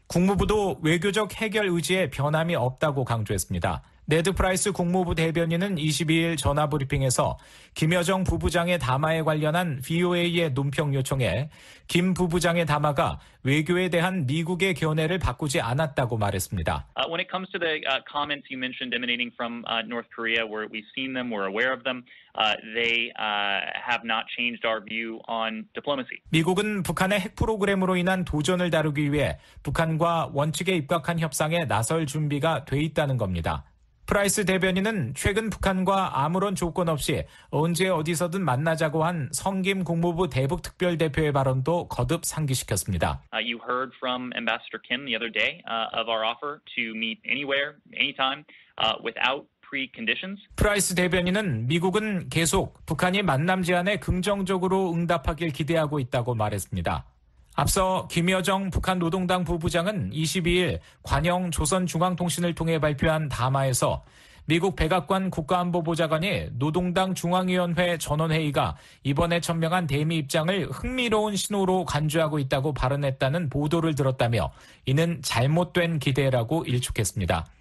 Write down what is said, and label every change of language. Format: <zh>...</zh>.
<ko>국무부도 외교적 해결 의지에 변함이 없다고 강조했습니다. 네드 프라이스 국무부 대변인은 22일 전화 브리핑에서 김여정 부부장의 담화에 관련한 VOA의 논평 요청에 김 부부장의 담화가 외교에 대한 미국의 견해를 바꾸지 않았다고 말했습니다.</ko> <en>When it comes to the comments you mentioned emanating from North Korea, where we've seen them, we're aware of them. They have not changed our view on diplomacy.</en> <ko>미국은 북한의 핵 프로그램으로 인한 도전을 다루기 위해 북한과 원칙에 입각한 협상에 나설 준비가 돼 있다는 겁니다. 프라이스 대변인은 최근 북한과 아무런 조건 없이 언제 어디서든 만나자고 한 성김 국무부 대북특별대표의 발언도 거듭 상기시켰습니다.</ko> <en>You heard from Ambassador Kim the other day of our offer to meet anywhere, anytime, without preconditions.</en> <ko>프라이스 대변인은 미국은 계속 북한이 만남 제안에 긍정적으로 응답하길 기대하고 있다고 말했습니다. 앞서 김여정 북한 노동당 부부장은 22일 관영 조선중앙통신을 통해 발표한 담화에서 미국 백악관 국가안보보좌관이 노동당 중앙위원회 전원회의가 이번에 천명한 대미 입장을 흥미로운 신호로 간주하고 있다고 발언했다는 보도를 들었다며 이는 잘못된 기대라고 일축했습니다.</ko>